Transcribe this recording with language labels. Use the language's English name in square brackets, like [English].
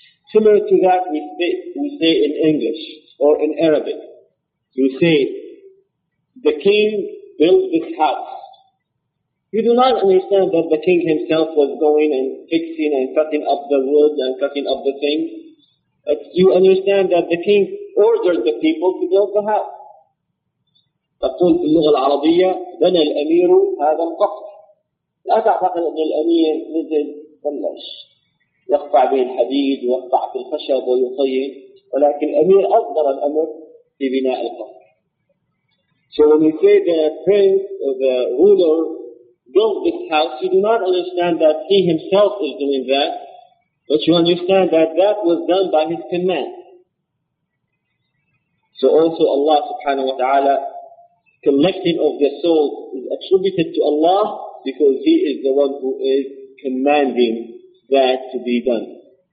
[English] Similar to that, we say in English or in Arabic, we say, the king built this house. You do not understand that the king himself was going and fixing and cutting up the wood and cutting up the things. But you understand that the king ordered the people to build the house. [Arabic] تقول في اللغة العربية بنى الأمير هذا القصر. لا تعتقد أن الأمير نزل بلش يقطع به الحديد ويقطع في الخشب ويطين، ولكن الأمير أصدر الأمر في بناء القصر. [English] So when you say the prince or the ruler built this house, you do not understand that he himself is doing that, but you understand that that was done by his command. So also Allah subhanahu wa ta'ala, collecting of the soul is attributed to Allah because He is the one who is commanding that to be done.